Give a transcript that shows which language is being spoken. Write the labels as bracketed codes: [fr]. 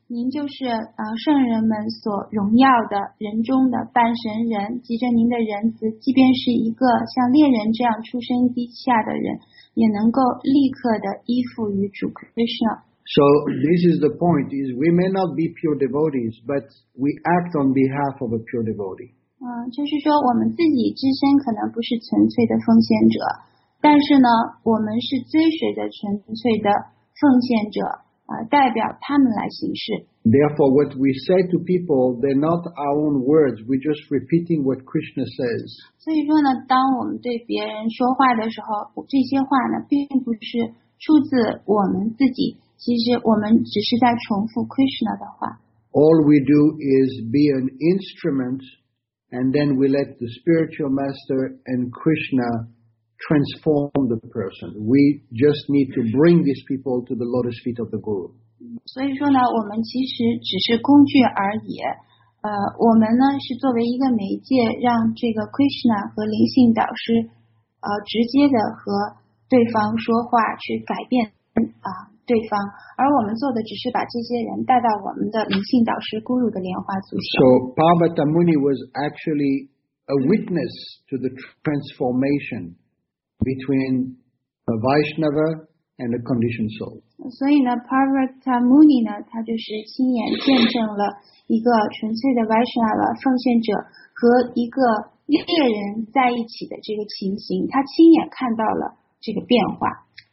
[zh] 您就是圣人们所荣耀的人中的半神人，即着您的仁慈，即便是一个像猎人这样出身低下的人，也能够立刻的依附于主 Krishna。 [en] So this is the point, is we may not be pure devotees, but we act on behalf of a pure devotee. [zh] 就是说我们自己自身可能不是纯粹的奉献者，但是呢我们是追随的纯粹的奉献者，代表他们来行事。 [en] Therefore, what we say to people, they're not our own words. We're just repeating what Krishna says. [zh] 所以说呢，当我们对别人说话的时候，这些话呢，并不是出自我们自己。其实我们只是在重复 Krishna 的话。 [en] All we do is be an instrument, and then we let the spiritual master and Krishna. Transform the person. We just need to bring these people to the lotus feet of the Guru. [zh] 所以说呢，我们其实只是工具而已。我们呢是作为一个媒介，让这个 Krishna 和灵性导师，直接的和对方说话，去改变对方。而我们做的只是把这些人带到我们的灵性导师 Guru 的莲花足下。 [en] So Parvata Muni was actually a witness to the transformation. between a Vaishnava and a conditioned soul. [zh] 所以呢 Parvata Muni 呢他就是亲眼见证了一个纯粹的 Vaishnava 奉献者和一个猎人在一起的这个情形，他亲眼看到了这个变化。